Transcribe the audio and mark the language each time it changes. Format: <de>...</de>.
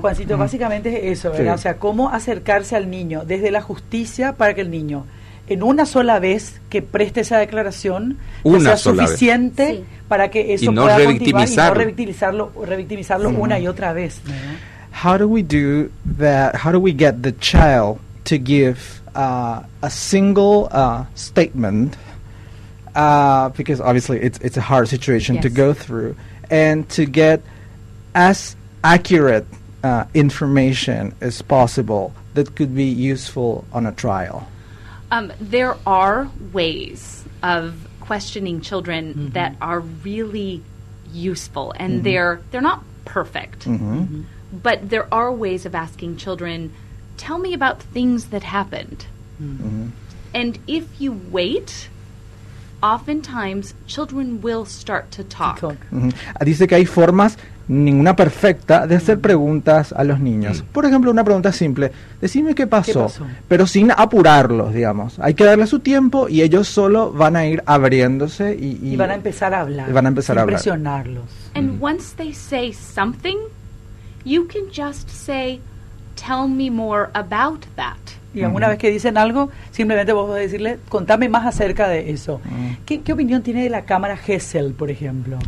<es>Juancito, básicamente es eso, ¿verdad? Sí. O sea, cómo acercarse al niño desde la justicia para que el niño, en una sola vez que preste esa declaración, una sea suficiente para que eso no pueda continuar y no revictimizarlo una y otra vez, ¿verdad?</es> <en>How do we do that? How do we get the child to give a single statement? Because obviously it's a hard situation to go through, and to get as accurate information as possible that could be useful on a trial. There are ways of questioning children that are really useful, and they're not perfect. But there are ways of asking children, tell me about things that happened. And if you wait, oftentimes children will start to talk.</en> <es>Dice que hay formas, ninguna perfecta, de hacer preguntas a los niños. Por ejemplo, una pregunta simple, decime qué pasó, pero sin apurarlos, digamos. Hay que darle su tiempo y ellos solo van a ir abriéndose y van a empezar a hablar. Y van a empezar a impresionarlos.</es> <en>And once they say something, you can just say, tell me more about that.</en> <es>Y una vez que dicen algo, simplemente vos vas a decirle, contame más acerca de eso. ¿Qué opinión tiene de la cámara Gesell, por ejemplo?</es>